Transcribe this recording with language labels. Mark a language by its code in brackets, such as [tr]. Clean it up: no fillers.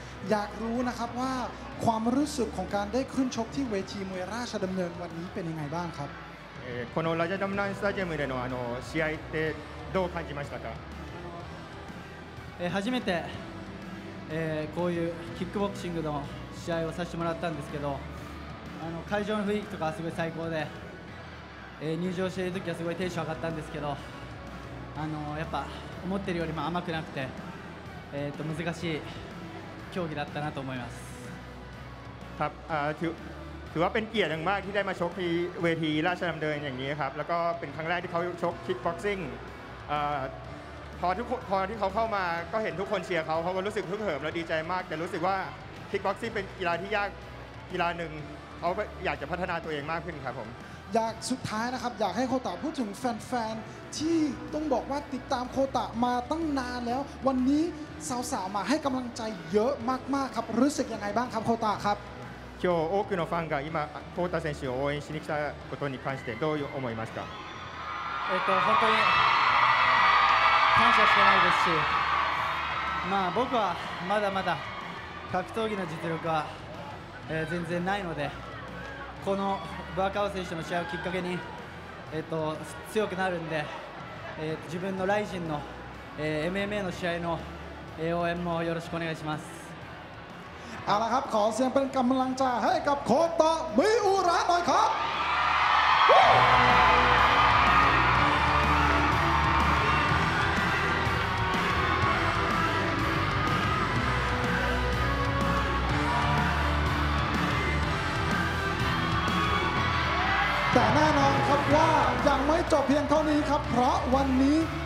[th] อยากรู้นะครับว่าความรู้สึกของการได้ขึ้นชกที่เวทีมวยราชดำเนินวันนี้เป็นยังไงบ้างครับ [ja] このラジャダムナンスタジアムでの試合ってどう感じましたか初めてこういうキックボクシングの試合をさせてもらったんですけど会場の雰囲気とかすごい最高で入場してる時はすごいテンション上がったんですけどやっぱ思ってるよりも甘くなくて難しい競技だったなと思います [th] ครับถือว่าเป็นเกียรติอย่างมากที่ได้มาชกที่เวทีราชดำเนินอย่างนี้ครับแล้วก็เป็นครั้งแรกที่เขาชกคิกบ็อกซิ่งพอที่เขาเข้ามาก็เห็นทุกคนเชียร์เขาเขาก็รู้สึกฮึกเหิมและดีใจมากแต่รู้สึกว่าคิกบ็อกซิ่งเป็นกีฬาที่ยากกีฬาหนึ่งเขาอยากจะพัฒนาตัวเองมากขึ้นครับผม อยากสุดท้ายนะครับอยากให้โคตะพูดถึงแฟนๆที่ต้องบอกว่าติดตามโคตะมาตั้งนานแล้ววันนี้สาวๆมาให้กำลังใจเยอะมากๆครับรู้สึกยังไงบ้างครับโคตะครับ [ja] 今日多くのファンが今コータ選手を応援しに来たことに関してどう思いますか？本当に感謝してないですし、まあ僕はまだまだ格闘技の実力は全然ないので、このバーカオ選手の試合をきっかけに強くなるんで、自分のライジンの MMA の試合の応援もよろしくお願いします。 [th] เอาละครับขอเสียงเป็นกำลังใจให้กับโคตะมิอุระหน่อยครับแต่แน่นอนครับว่ายังไม่จบเพียงเท่านี้ครับเพราะวันนี้